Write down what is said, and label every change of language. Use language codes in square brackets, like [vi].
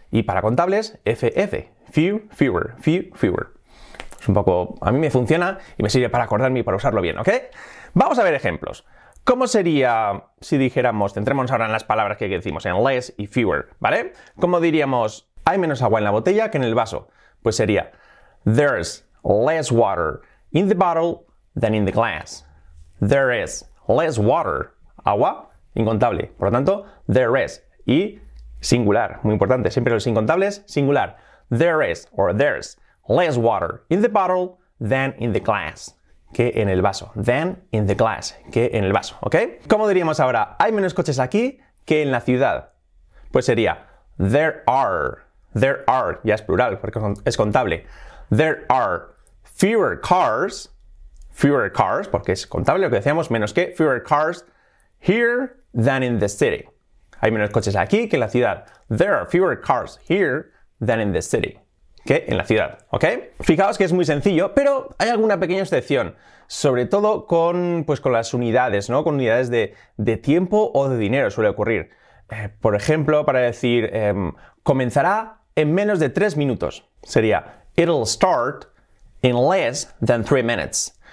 [es] Y para contables, FF, few, fewer, few, fewer. Es un poco, a mí me funciona y me sirve para acordarme y para usarlo bien, ¿ok? Vamos a ver ejemplos. ¿Cómo sería si dijéramos, centrémonos ahora en las palabras que decimos, en less y fewer, ¿vale? ¿Cómo diríamos, hay menos agua en la botella que en el vaso? Pues sería, [en] there's less water in the bottle than in the glass. There is less water, agua, incontable. [es] Por lo tanto, [en] there is, [es] y singular, muy importante, siempre los incontables, singular. [en] There is, or there's, less water in the bottle than in the glass. [es] Que en el vaso, [en] than in the glass, [es] que en el vaso, ¿ok? ¿Cómo diríamos ahora? Hay menos coches aquí que en la ciudad. Pues sería, [en] there are, [es] ya es plural porque es contable. There are fewer cars, porque es contable lo que decíamos, menos que, fewer cars here than in the city. Hay menos coches aquí que en la ciudad. [en] There are fewer cars here than in the city. [es] Que en la ciudad, ¿ok? Fijaos que es muy sencillo, pero hay alguna pequeña excepción, sobre todo con, pues, con las unidades, ¿no? Con unidades de tiempo o de dinero suele ocurrir. Por ejemplo, para decir, comenzará en menos de 3 minutos. Sería, [en] it'll start in less than 3 minutes.